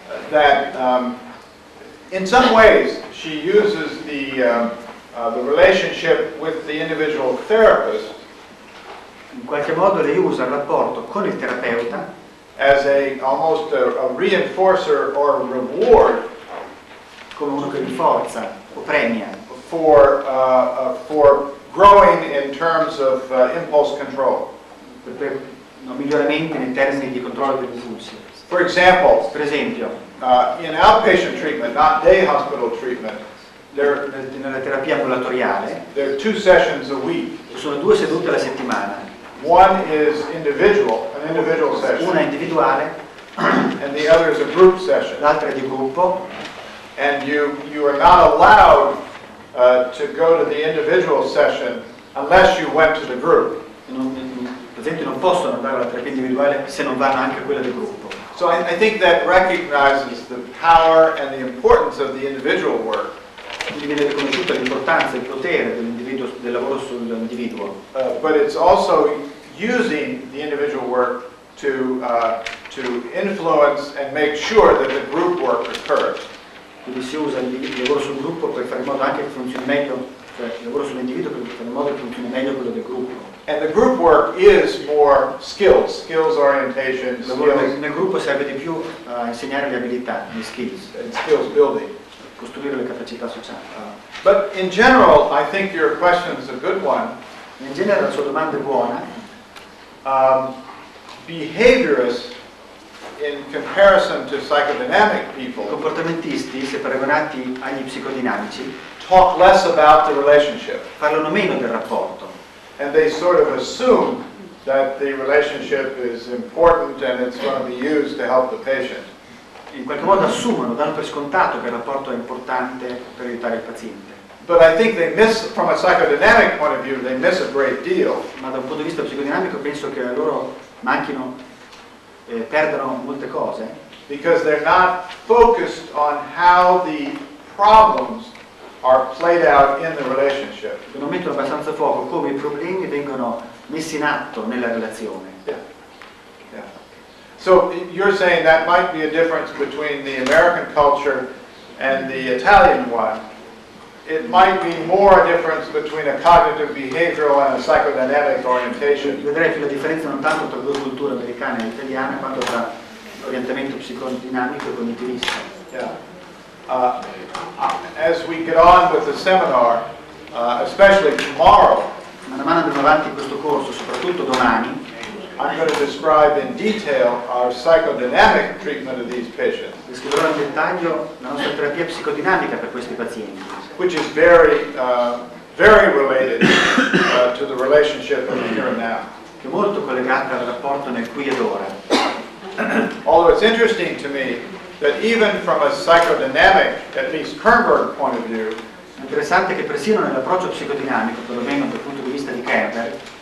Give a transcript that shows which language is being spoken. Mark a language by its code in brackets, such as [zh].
[en] That in some ways she uses the relationship with the individual therapist. [it] In qualche modo lei usa il rapporto con il terapeuta [en] as almost a reinforcer or reward. [it] Come uno che rinforza o premia [en] for growing in terms of impulse control, [it] per un miglioramento in termini di controllo degli impulsi. [en] For example, [it] per esempio, [en] in outpatient treatment, not day hospital treatment, [it] nella terapia ambulatoriale, [en] there are two sessions a week. [it] Sono due sedute alla settimana. [en] One is individual, an individual session. [it] Una individuale, [en] and the other is a group session. [it] L'altra è di gruppo. [en] And you are not allowed to go to the individual session unless you went to the group. [it] Non possono andare alla terapia individuale se non vanno anche a quella del gruppo. [en] So I think that recognizes the power and the importance of the individual work. [it] Quindi viene riconosciuta l'importanza e il potere dell'individuo, del lavoro sull'individuo. [en] But it's also using the individual work to influence and make sure that the group work occurs. [it] Quindi si usa il lavoro sul gruppo per fare in modo anche che funzioni meglio, cioè il lavoro sull'individuo per fare in modo che funzioni meglio quello del gruppo. [en] And the group work is more skills orientation. [it] Nel gruppo serve di più a insegnare le abilità, gli skills. [en] And skills building. [it] Costruire le capacità sociali. [en] But in general, I think your question is a good one. [it] In generale la sua domanda è buona. [en] Behaviorists in comparison to psychodynamic people, [it] comportamentisti, se paragonati agli psicodinamici, [en] talk less about the relationship. [it] Parlano meno del rapporto. [en] And they sort of assume that the relationship is important and it's going to be used to help the patient. [it] In qualche modo assumono, danno per scontato che il rapporto è importante per aiutare il paziente. [en] But I think they miss, from a psychodynamic point of view, they miss a great deal. [it] Ma da un punto di vista psicodinamico penso che loro manchino. Perdono molte cose. [en] Because they're not focused on how the problems are played out in the relationship. [it] Non mettono abbastanza fuoco come i problemi vengono messi in atto nella relazione. [en] Yeah. Yeah. So you're saying that might be a difference between the American culture and the Italian one. It might be more a difference between a cognitive behavioral and a psychodynamic orientation. [it] Vedrei più la differenza non tanto tra due culture americane e italiane, quanto tra l'orientamento psicodinamico e cognitivista. [en] Yeah. As we get on with the seminar, especially tomorrow, [it] man mano andremo avanti questo corso, soprattutto domani, [en] I'm going to describe in detail our psychodynamic treatment of these patients. [it] Descriverò in dettaglio la nostra terapia psicodinamica per questi pazienti. [en] Which is very related to the relationship of the here and now. [it] Che è molto collegata al rapporto nel qui ed ora. [en] Although it's interesting to me that even from a psychodynamic, at least Kernberg point of view, [it] interessante che persino nell'approccio psicodinamico, perlomeno dal punto di vista di Kernberg,